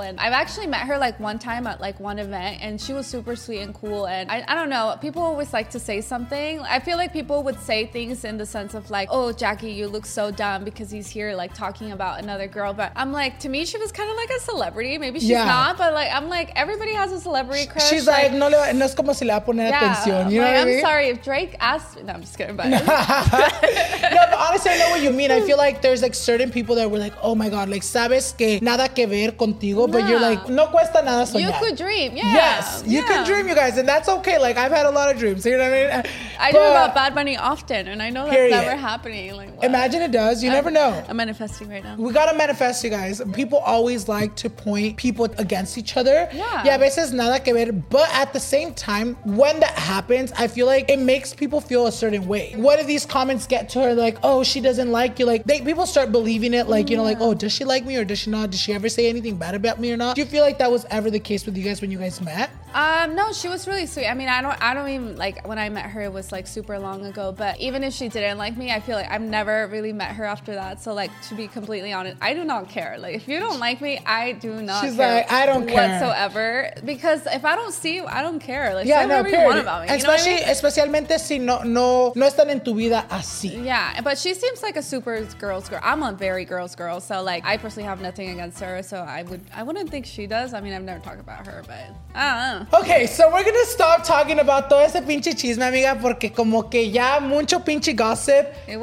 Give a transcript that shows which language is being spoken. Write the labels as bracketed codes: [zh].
[en] And I've actually met her like one time at like one event and she was super sweet and cool. And I don't know, people always like to say something. I feel like people would say things in the sense of like, oh, Jackie, you look so dumb because he's here like talking about another girl. But I'm like, to me, she was kind of like a celebrity. Maybe she's not, but like, I'm like, everybody has a celebrity crush. She's like, [es] no, le va, no es como si le va a poner atención. [en] You know what I mean? I'm sorry, if Drake asked me, no, I'm just kidding, but. No, but honestly, I know what you mean. I feel like there's like certain people that were like, oh my God, like, [es] sabes que nada que ver contigo, [en] but you're like, [es] no cuesta nada soñar. [en] You could dream, yeah. Yes, you could dream, you guys, and that's okay. Like, I've had a lot of dreams, you know what I mean? I dream about Bad Bunny often, and I know that's never happening. Like, what? Imagine it does, you never know. I'm manifesting right now. We gotta manifest, you guys. People always like to point people against each other. Yeah, [es] a veces nada que ver. [en] But at the same time, when that happens, I feel like it makes people feel a certain way. What if these comments get to her, like, oh, she doesn't like you? Like, people start believing it, like, you know, like, oh, does she like me or does she not? Does she ever say anything bad about me or not? Do you feel like that was ever the case with you guys when you guys met? No, she was really sweet. I mean, I don't even, like, when I met her, it was like super long ago. But even if she didn't like me, I feel like I've never really met her after that. So, like, to be completely honest, I do not care. Like, if you don't like me, I do not She's care. She's like, I don't whatsoever. Care. Because if I don't see you, I don't care. Like, yeah, say no, whatever period. You want about me. Especially, you know I mean? [es] Especialmente si no están en tu vida así. [en] Yeah, but she seems like a super girl's girl. I'm a very girl's girl. So, like, I personally have nothing against her. So, I wouldn't think she does. I mean, I've never talked about her, but I don't know. Okay, so we're gonna stop talking about [es] todo ese pinche chisme, amiga, porque como que ya mucho pinche gossip.